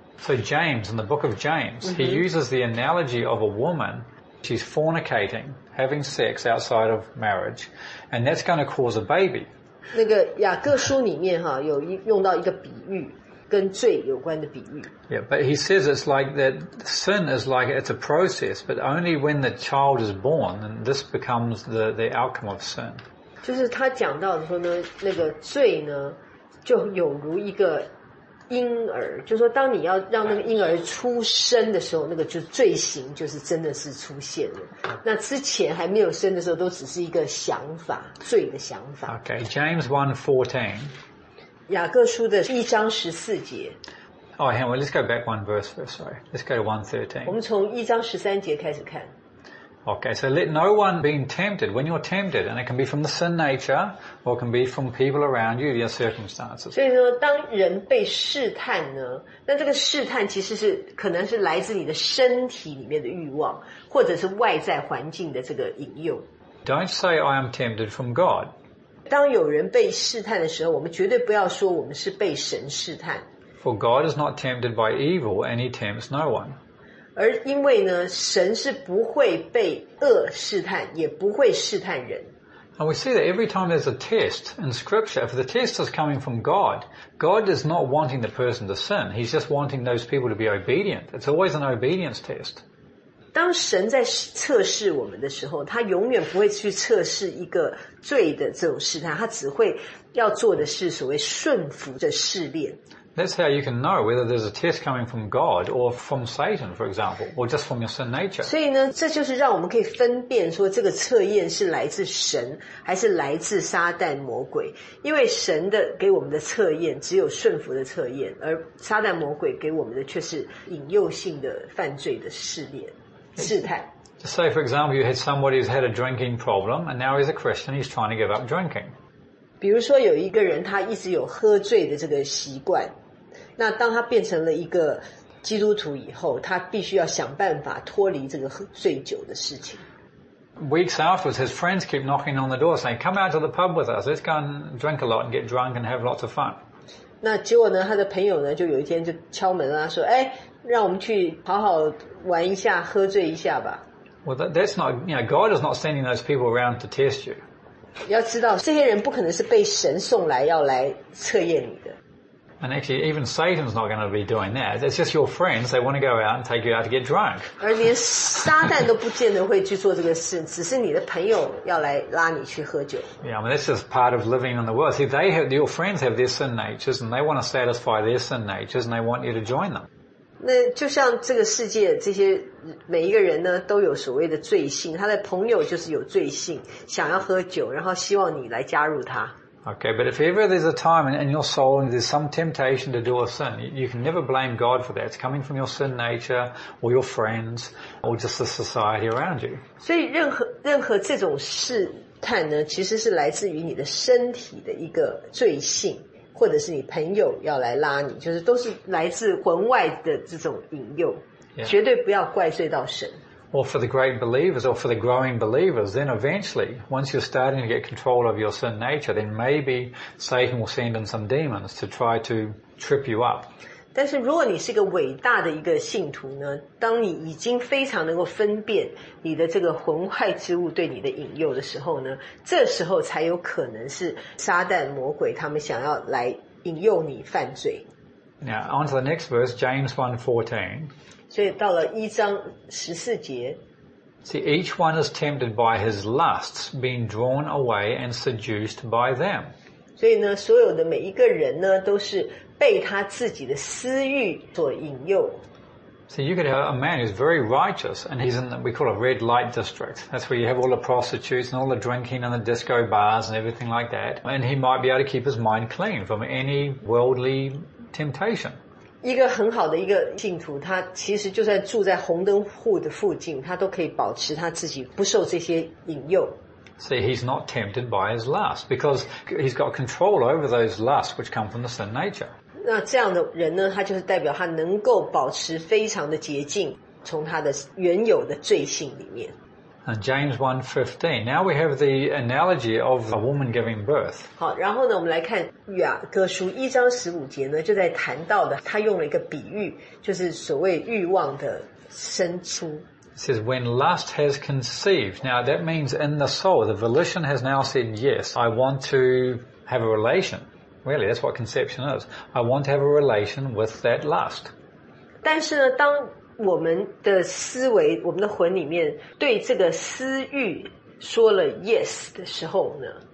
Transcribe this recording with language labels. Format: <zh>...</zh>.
<en>So James, in the book of James,、mm-hmm. he uses the analogy of a woman, she's fornicating, having sex outside of marriage, and that's going to cause a baby.</en> <zh>那个雅各书里面哈有用到一个比喻，跟罪有关的比喻。</zh> <en>Yeah, but he says it's like that sin is like it's a process, but only when the child is born, and this becomes the outcome of sin.</en> <zh>就是他讲到的说呢，那个罪呢，就有如一个婴儿，就是说当你要让那个婴儿出生的时候，那个就罪行就是真的是出现了。那之前还没有生的时候，都只是一个想法，罪的想法。</zh> <en>Okay, James 1:14.</en> <zh>雅各书的一章十四节。</zh> <en>Oh, hang on, let's go back one verse first, sorry. Let's go to 1:13.</en> <zh>我们从一章十三节开始看。</zh> <en>Okay, so let no one be tempted. When you're tempted, and it can be from the sin nature, or it can be from people around you, your circumstances.</en> <zh>所以说，当人被试探呢，那这个试探其实是可能是来自你的身体里面的欲望，或者是外在环境的这个引诱。</zh> <en>Don't say I am tempted from God.</en> <zh>当有人被试探的时候，我们绝对不要说我们是被神试探。</zh> <en>For God is not tempted by evil, and He tempts no one.</en> <zh>而因为呢，神是不会被恶试探，也不会试探人。</zh> <en>And we see that every time there's a test in Scripture, if the test is coming from God, God is not wanting the person to sin. He's just wanting those people to be obedient. It's always an obedience test.</en> <zh>当神在测试我们的时候，他永远不会去测试一个罪的这种试探，他只会要做的是所谓顺服的试炼。</zh> <en>That's how you can know whether there's a test coming from God or from Satan, for example, or just from your sin nature.</en> <zh>所以呢，这就是让我们可以分辨说这个测验是来自神还是来自撒旦魔鬼。因为神的给我们的测验只有顺服的测验，而撒旦魔鬼给我们的却是引诱性的犯罪的试炼、试探。</zh> <en>Just say, for example, you had somebody who's had a drinking problem, and now he's a Christian, he's trying to give up drinking.</en> <zh>比如说有一个人他一直有喝醉的这个习惯，那当他变成了一个基督徒以后，他必须要想办法脱离这个喝醉酒的事情。</zh> <en>Weeks afterwards, his friends keep knocking on the door saying, come out to the pub with us, let's go and drink a lot and get drunk and have lots of fun.</en> <zh>那结果呢，他的朋友呢就有一天就敲门了，他说，哎，让我们去好好玩一下，喝醉一下吧。</zh> <en>Well, that's not, you know, God is not sending those people around to test you.</en> <zh>要知道，这些人不可能是被神送来要来测验你的。</zh> <en>And actually, even Satan's not going to be doing that. It's just your friends. They want to go out and take you out to get drunk.</en> <zh>而连撒旦都不见得会去做这个事，只是你的朋友要来拉你去喝酒。</zh> <en>Yeah, I mean that's just part of living in the world. See, they have your friends have their sin natures, and they want to satisfy their sin natures, and they want you to join them.</en> <zh>那就像这个世界这些。每一个人呢都有所谓的罪性，他的朋友就是有罪性，想要喝酒，然后希望你来加入他。</zh> <en>Okay, but if ever there's a time in your soul and there's some temptation to do a sin, you can never blame God for that. It's coming from your sin nature or your friends or just the society around you.</en> <zh>所以任何这种试探呢，其实是来自于你的身体的一个罪性，或者是你朋友要来拉你，就是都是来自魂外的这种引诱。 Yeah. 绝对不要怪罪到神。</zh> <en>Or for the great believers, or for the growing believers, then eventually, once you're starting to get control of your sin nature, then maybe Satan will send in some demons to try to trip you up.</en> <zh>但是如果你是一个伟大的一个信徒呢，当你已经非常能够分辨你的这个魂坏之物对你的引诱的时候呢，这时候才有可能是撒旦魔鬼他们想要来引诱你犯罪。</zh> <en>Now, on to the next verse, James 1:14.</en> <zh>所以到了一章十四节。</zh> <en>See, each one is tempted by his lusts, being drawn away and seduced by them.</en> <zh>所以呢，所有的每一个人呢，都是被他自己的私欲所引诱。</zh> <en>See, you could have a man who's very righteous, and he's in what we call a red light district. That's where you have all the prostitutes and all the drinking and the disco bars and everything like that. And he might be able to keep his mind clean from any worldly temptation.</en> <zh>一个很好的一个信徒，他其实就算住在红灯户的附近，他都可以保持他自己不受这些引诱。</zh> <en>See, he's not tempted by his lust because he's got control over those lusts which come from the sin nature.</en> <zh>那这样的人呢，他就是代表他能够保持非常的洁净，从他的原有的罪性里面。</zh> <en>And James 1:15. Now we have the analogy of a woman giving birth.</en> <zh>好，然后呢，我们来看雅各书一章十五节呢，就在谈到的，他用了一个比喻，就是所谓欲望的生出。</zh> <en>It says, when lust has conceived. Now that means in the soul, the volition has now said, yes, I want to have a relation. Really, that's what conception is. I want to have a relation with that lust.</en> <zh>但是呢，当我们的思维，我们的魂里面对这个私欲说了 yes 的时候呢</zh>